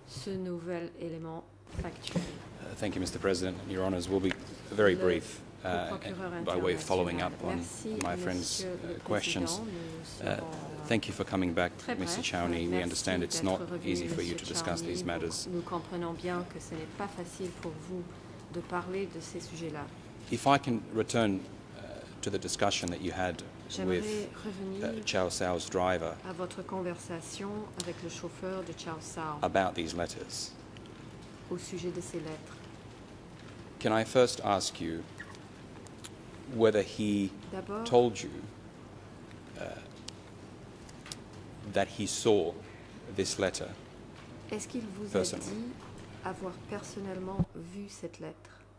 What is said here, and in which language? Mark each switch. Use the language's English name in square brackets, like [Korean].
[French] Ce nouvel élément factuel. [English] Thank you, Mr. President. Your Honours, we'll be very brief by way of following up on my friend's questions. Thank you for coming back, Mr. Chow Ni. We understand it's not easy for you to discuss these matters. [French] Nous comprenons bien que ce n'est pas facile pour vous de parler de ces sujets-là. [English] If I can return to the discussion that you had with Chow Sao's driver [French] à votre conversation avec le chauffeur de Chow Sao [English] about these letters. [French] Au sujet de ces lettres. [English] Can I first ask you whether he told you that he saw this letter. [French] Est-ce qu'il vous a dit avoir personnellement vu cette lettre?